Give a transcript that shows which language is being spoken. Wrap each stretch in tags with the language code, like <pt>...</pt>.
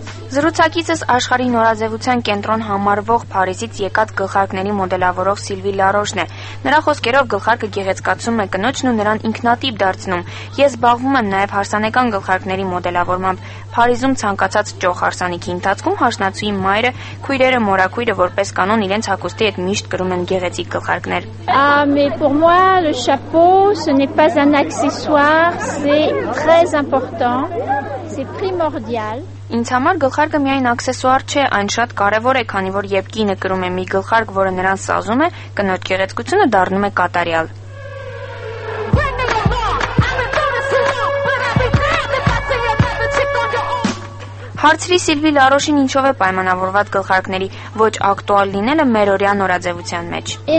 <hy>Զրուցակիցս աշխարհի նորաձևության կենտրոն համարվող Փարիզից եկած գլխարկների մոդելավորող Սիլվի Լարոշն է։ Նրա խոսքերով գլխարկը գեղեցկացում է կնոջն ու նրան ինքնատիպ դարձնում։ Ես զբաղվում եմ նաև հարսանեկան գլխարկների մոդելավորմամբ։ Փարիզում ցանկացած ճոխ հարսանիքի ընթացքում հաշնացուի մայրը, քույրերը, մորաքույրը որպես կանոն իրենց հագուստի հետ միշտ գրում են գեղեցիկ գլխարկներ։</hy> <fr>Mais pour moi le chapeau ce n'est pas un accessoire, c'est très important, c'est primordial.</fr> <hy>Ինձ համար գլխարկը միայն աքսեսուար չէ, այն շատ կարևոր է, քանի որ երբ կինը կրում է մի գլխարկ, որը նրան սազում է, կնոջ գեղեցկությունը դառնում է կատարյալ։ Հարցրի Սիլվի Լարոշին, ինչով է պայմանավորված գլխարկների ոչ ակտուալ լինելը մեր օրյա նորաձևության մեջ։</hy>